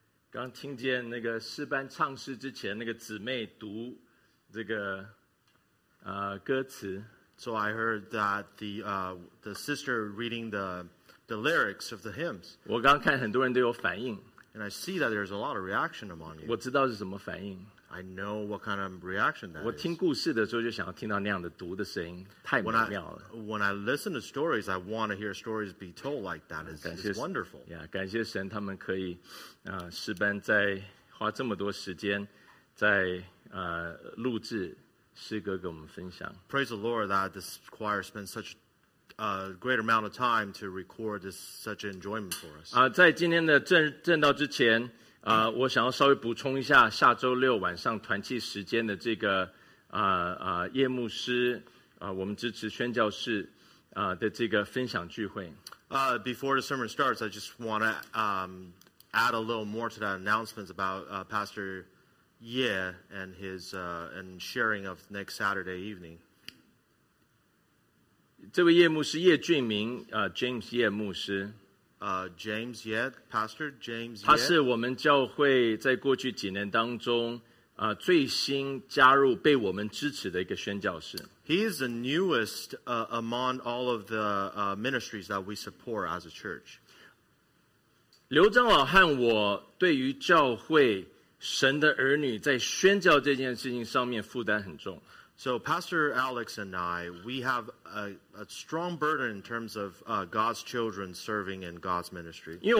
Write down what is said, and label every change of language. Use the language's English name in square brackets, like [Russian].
[Chinese] 刚听见那个诗班唱诗之前那个姊妹读这个歌词 [English] So I heard that the sister reading the lyrics of the hymns. [Chinese] 我刚看很多人都有反应 [English] And I see that there's a lot of reaction among you. [Chinese] 我知道是什么反应 [English] I know what kind of reaction that is. [Chinese] 我听故事的时候就想要听到那样的读的声音，太美妙了。 [English] When I listen to stories, I want to hear stories be told like that. It's wonderful. [Chinese] Yeah, 感谢神他们可以，诗班在花这么多时间在录制诗歌给我们分享。 [English] Praise the Lord that this choir spent such a great amount of time to record this such enjoyment for us. [Chinese] 在今天的正道之前。我想要稍微补充一下下周六晚上团契时间的这个夜牧师我们支持宣教士的这个分享聚会。 [English] Before the sermon starts, I just want to add a little more to that announcement about Pastor Ye and his and sharing of next Saturday evening. [Chinese] 这位夜牧师叶俊明James 夜牧师。 [English] James Yet, Pastor James Yet. [Chinese] 他是我们教会在过去几年当中最新加入被我们支持的一个宣教士。 [English] He is the newest among all of the ministries that we support as a church. [Chinese] 刘长老和我对于教会神的儿女在宣教这件事情上面负担很重。 [English] So Pastor Alex and I, we have a strong burden in terms of God's children serving in God's ministry.